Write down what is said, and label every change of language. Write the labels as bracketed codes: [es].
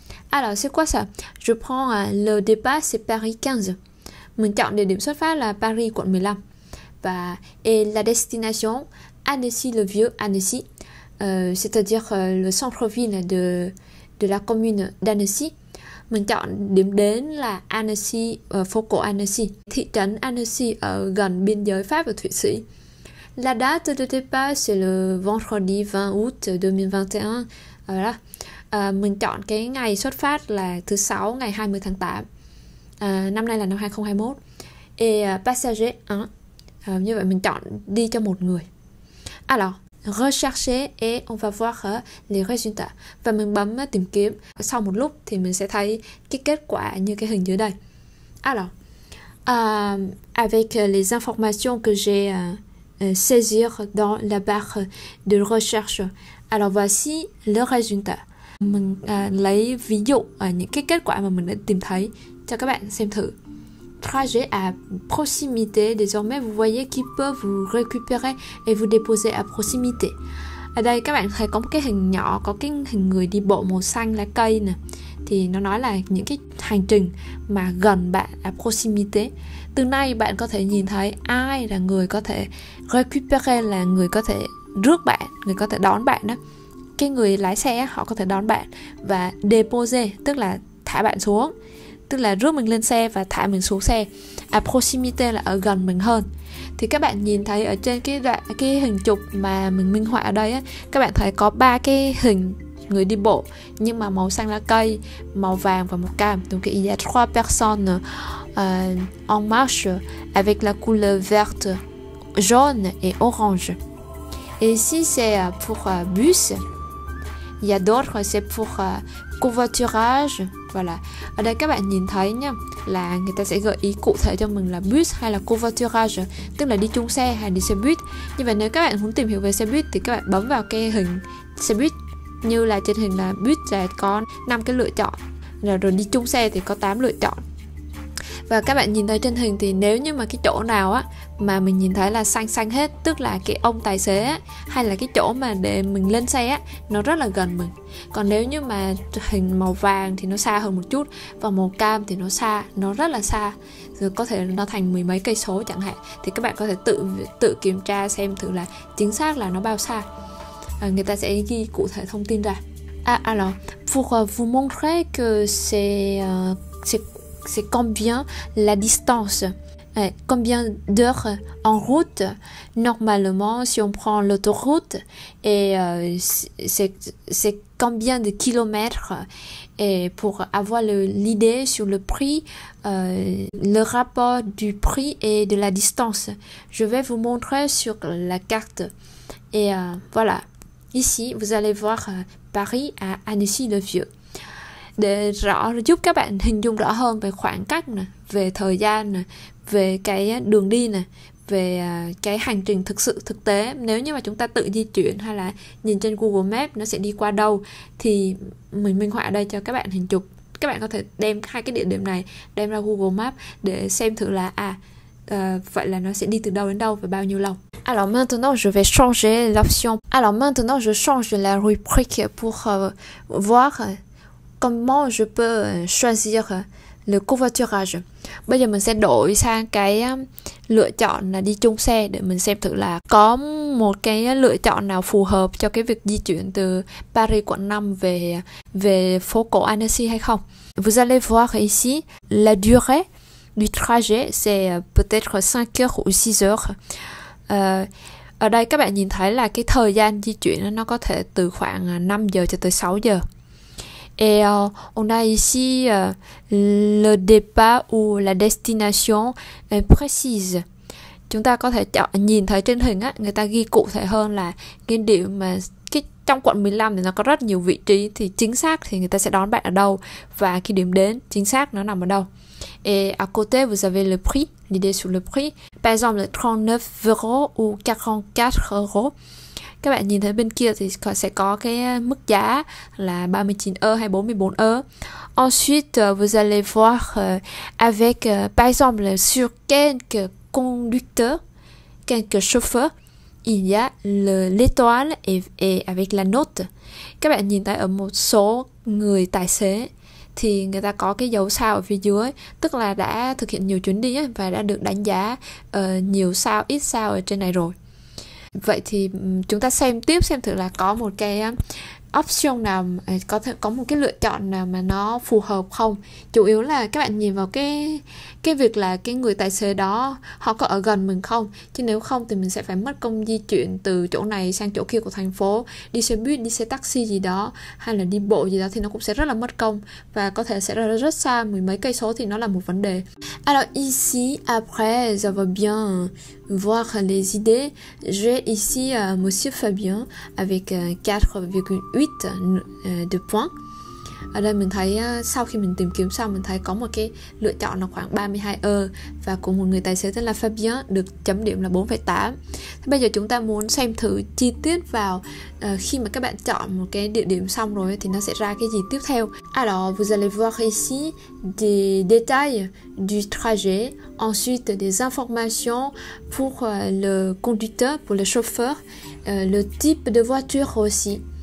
[fr] Alors, c'est quoi ça? Je prends le départ, c'est Paris 15. [vi] Mình chọn địa điểm xuất phát là Paris, quận 15. [fr] Và et la destination, Annecy, le vieux Annecy, c'est-à-dire le centre-ville de la commune d'Annecy. [vi] Mình chọn điểm đến là Annecy, phố cổ Annecy, thị trấn Annecy ở gần biên giới Pháp và Thụy Sĩ. [fr] La date de départ, c'est le vendredi 20 août 2021. Voilà. [vi] Mình chọn cái ngày xuất phát là thứ sáu ngày 20 tháng 8, năm nay là năm 2021. [fr] Passager 1, [vi] như vậy mình chọn đi cho một người. [fr] Alors, rechercher et on va voir les résultats. [vi] Và mình bấm tìm kiếm. Sau một lúc thì mình sẽ thấy cái kết quả như cái hình dưới đây. [fr] Alors, avec les informations que j'ai saisies dans la barre de recherche, alors voici le résultat. [vi] Mình lấy ví dụ những cái kết quả mà mình đã tìm thấy cho các bạn xem thử. [fr] Trajet à proximité, désormais vous voyez qui peut vous récupérer et vous déposer à proximité. [vi] Ở đây các bạn thấy có một cái hình nhỏ, có cái hình người đi bộ màu xanh lá cây nè. Thì nó nói là những cái hành trình mà gần bạn, [fr] à proximité. [vi] Từ nay bạn có thể nhìn thấy ai là người có thể récupérer, là người có thể rước bạn, người có thể đón bạn đó. Cái người lái xe họ có thể đón bạn và déposer tức là thả bạn xuống, tức là rước mình lên xe và thả mình xuống xe. Proximité là ở gần mình hơn. Thì các bạn nhìn thấy ở trên cái đoạn cái hình chụp mà mình minh họa ở đây á, các bạn thấy có ba cái hình người đi bộ nhưng mà màu xanh lá cây, màu vàng và màu cam. [fr] Donc il y a trois personnes en marche avec la couleur verte, jaune et orange. Et ici c'est pour bus. Il y a d'autres, c'est pour covoiturage. Voilà. [vi] Ở đây các bạn nhìn thấy nha, là người ta sẽ gợi ý cụ thể cho mình là bus hay là covoiturage, tức là đi chung xe hay đi xe buýt. Như vậy nếu các bạn muốn tìm hiểu về xe buýt thì các bạn bấm vào cái hình xe buýt. Như là trên hình là buýt là có 5 cái lựa chọn, rồi đi chung xe thì có 8 lựa chọn. Và các bạn nhìn thấy trên hình thì nếu như mà cái chỗ nào á mà mình nhìn thấy là xanh xanh hết, tức là cái ông tài xế á, hay là cái chỗ mà để mình lên xe á, nó rất là gần mình. Còn nếu như mà hình màu vàng thì nó xa hơn một chút, và màu cam thì nó xa, nó rất là xa, rồi có thể nó thành mười mấy cây số chẳng hạn. Thì các bạn có thể tự tự kiểm tra xem thử là chính xác là nó bao xa. Người ta sẽ ghi cụ thể thông tin ra. [fr] Alors, pour vous montrer que c'est combien la distance, combien d'heures en route. Normalement, si on prend l'autoroute, et c'est combien de kilomètres, et pour avoir l'idée sur le prix, le rapport du prix et de la distance. Je vais vous montrer sur la carte. Et voilà, ici, vous allez voir Paris à Annecy-le-Vieux. [vi] Để giúp các bạn hình dung rõ hơn về khoảng cách nè, về thời gian nè, về cái đường đi nè, về cái hành trình thực sự thực tế. Nếu như mà chúng ta tự di chuyển hay là nhìn trên Google Map nó sẽ đi qua đâu thì mình minh họa ở đây cho các bạn hình chụp. Các bạn có thể đem hai cái địa điểm này đem ra Google Map để xem thử là vậy là nó sẽ đi từ đâu đến đâu và bao nhiêu lâu. [fr] Alors maintenant, je vais changer l'option. Alors maintenant, je change la rubrique pour voir comment je peux choisir le covoiturage. [vi] Bây giờ mình sẽ đổi sang cái lựa chọn là đi chung xe để mình xem thử là có một cái lựa chọn nào phù hợp cho cái việc di chuyển từ Paris quận 5 về về phố cổ Annecy hay không. [fr] Vous allez voir ici, la durée du trajet, c'est peut-être 5 heures ou 6 heures. [vi] Ở đây các bạn nhìn thấy là cái thời gian di chuyển nó có thể từ khoảng 5 giờ cho tới 6 giờ. [fr] Et on a ici le départ ou la destination précise. [vi] Chúng ta có thể chọn nhìn thấy trên hình á, người ta ghi cụ thể hơn là cái điểm mà cái trong quận 15 thì nó có rất nhiều vị trí thì chính xác thì người ta sẽ đón bạn ở đâu và cái điểm đến chính xác nó nằm ở đâu. [fr] Et à côté, vous avez le prix, l'idée sur le prix. Par exemple, 39 euros ou 44 euros. [vi] Các bạn nhìn thấy bên kia thì sẽ có cái mức giá là 39 euros hay 44 euros. [fr] Ensuite, vous allez voir avec, par exemple, sur quelques conducteurs, quelques chauffeurs, il y a l'étoile et avec la note. [vi] Các bạn nhìn thấy ở một số người tài xế thì người ta có cái dấu sao ở phía dưới, tức là đã thực hiện nhiều chuyến đi ấy, và đã được đánh giá nhiều sao, ít sao ở trên này rồi. Vậy thì chúng ta xem tiếp xem thử là có một cái option nào, có thể có một cái lựa chọn nào mà nó phù hợp không. Chủ yếu là các bạn nhìn vào cái việc là cái người tài xế đó họ có ở gần mình không, chứ nếu không thì mình sẽ phải mất công di chuyển từ chỗ này sang chỗ kia của thành phố, đi xe buýt, đi xe taxi gì đó hay là đi bộ gì đó thì nó cũng sẽ rất là mất công và có thể sẽ rất xa, mười mấy cây số thì nó là một vấn đề. [fr] Alors ici, après avoir bien voir les idées, j'ai ici Monsieur Fabien avec 4,8 de points. [vi] Ở đây mình thấy sau khi mình tìm kiếm xong, mình thấy có một cái lựa chọn là khoảng 32 euro và của một người tài xế tên là Fabien được chấm điểm là 4,8. Thế bây giờ chúng ta muốn xem thử chi tiết vào khi mà các bạn chọn một cái địa điểm xong rồi thì nó sẽ ra cái gì tiếp theo. [fr] Alors, vous allez voir ici des détails du trajet, ensuite des informations pour le conducteur, pour le chauffeur, le type de voiture aussi.